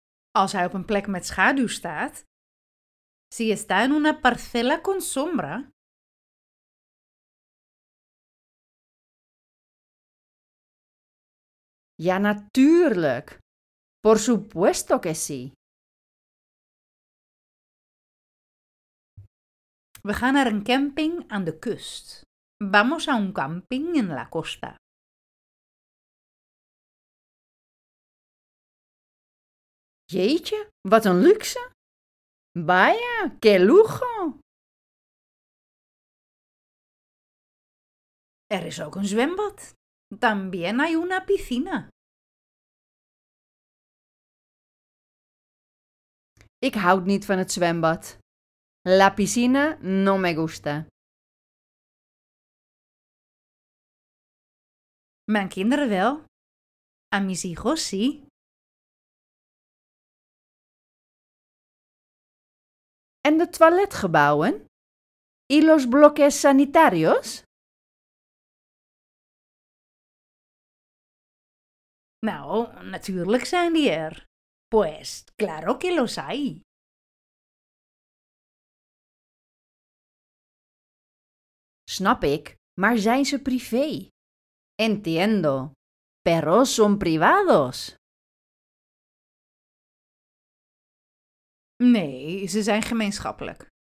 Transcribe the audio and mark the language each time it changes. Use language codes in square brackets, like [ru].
[nl] Als hij op een plek met schaduw staat. [es] Si está en una parcela con sombra. [nl] Ja, natuurlijk. [es] Por supuesto que sí. [nl] We gaan naar een camping aan de kust. [es] Vamos a un camping en la costa. [nl] Jeetje, wat een luxe. [es] Vaya, qué lujo. [nl] Er is ook een zwembad. [es] También hay una piscina. [nl] Ik houd niet van het zwembad. [es] La piscina no me gusta. [nl] Mijn kinderen wel. [es] A mis hijos sí. [nl] En de toiletgebouwen? [es] ¿Y los bloques sanitarios? [nl] Nou, natuurlijk zijn die er. [es] Pues, claro que los hay. [nl] Snap ik, maar zijn ze privé? [es] Entiendo, pero son privados. [nl] Nee, ze zijn gemeenschappelijk.